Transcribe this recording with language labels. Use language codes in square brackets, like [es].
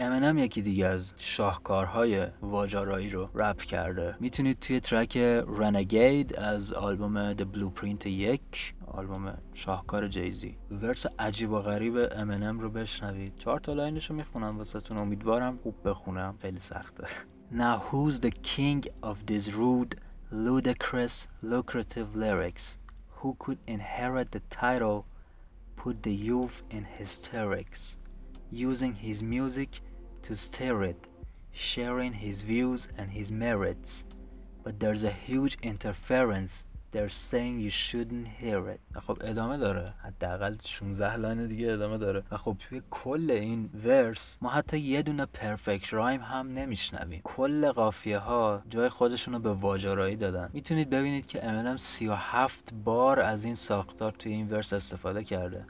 [fa] امینم یکی دیگه از شاهکارهای واجارایی رو رپ کرده. میتونید توی ترک رنگید از آلبوم The Blueprint 1، آلبوم شاهکار جیزی، ورس عجیب و غریب امینم رو بشنوید. چهار تا لاینش رو میخونم واسه تون، امیدوارم خوب بخونم، خیلی سخته. [en] Now who's the king of these rude, ludicrous, lucrative lyrics? Who could inherit the title, put the youth in hysterics? Using his music to stir it, sharing his views and his merits. But there's a huge interference, they're saying you shouldn't hear it. [fa] خب ادامه داره، حداقل 16 لاین دیگه ادامه داره. و خب توی کل این ورس ما حتی یه دونه پرفکت رایم هم نمیشنویم. کل قافیه ها جای خودشونو به واجارایی دادن. میتونید ببینید که امینم 37 بار از این ساختار توی این ورس استفاده کرده.